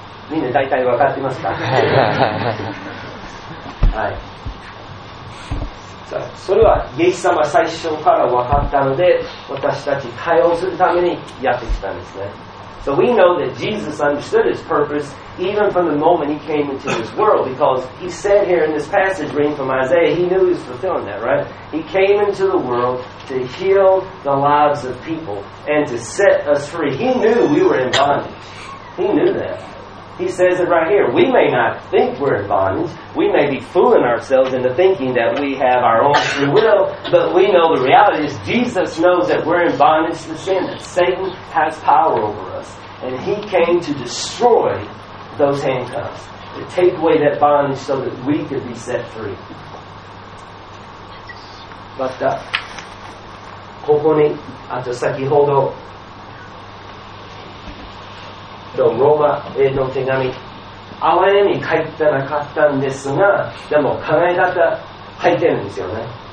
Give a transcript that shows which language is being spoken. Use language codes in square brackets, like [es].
[ja] みんな大体分かってますか？はい。それはイエス様最初から分かったので、私たち対応するためにやってきたんですね。 [en] So we know that Jesus understood his purpose even from the moment he came into this world, because he said here in this passage reading from Isaiah, he knew he was fulfilling that, right? He came into the world to heal the lives of people and to set us free. He knew we were in bondage. He knew that. He says it right here. We may not think we're in bondage. We may be fooling ourselves into thinking that we have our own free will, but we know the reality is Jesus knows that we're in bondage to sin, that Satan has power over us. And he came to destroy those handcuffs, to take away that bondage so that we could be set free. [ja] But ここに、あと先ほど、ローマへの手紙、哀れみ書いてなかったんですが、でも考え方入ってるんですよね。